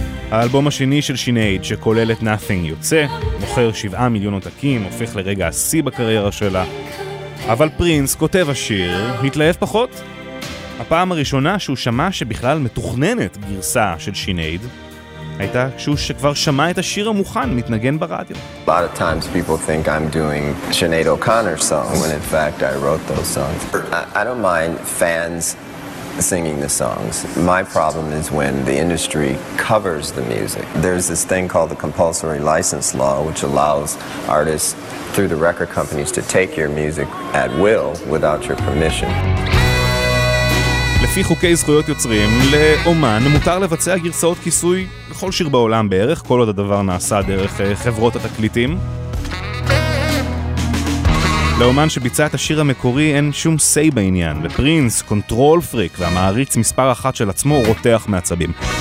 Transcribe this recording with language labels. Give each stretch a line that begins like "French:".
Hebrew: האלבום השני של שינייד, שכולל את Nothing, יוצא, מוכר 7 מיליון עותקים, הופך לרגע השיא בקריירה שלה. אבל פרינס, כותב השיר, מתלהב פחות. הפעם הראשונה שהוא שמע שבכלל מתוכננת גרסה של שינייד, הייתה כשהוא שכבר שמע את השיר המוכן מתנגן ברדיו.
English: A lot of times people think I'm doing Sinéad O'Connor song, when in fact I wrote those songs. I don't mind fans singing the songs. My problem is when the industry covers the music. There's this thing called the compulsory license law, which allows artists through the record companies to take your music at will without your permission.
Hebrew: לפי חוקי זכויות יוצרים, לאומן מותר לבצע גרסאות כיסוי לכל שיר בעולם בערך, כל עוד הדבר נעשה דרך חברות התקליטים. לאומן שביצע את השיר המקורי אין שום סיי בעניין, ופרינס, קונטרול פריק והמעריץ מספר אחת של עצמו רותח מעצבים.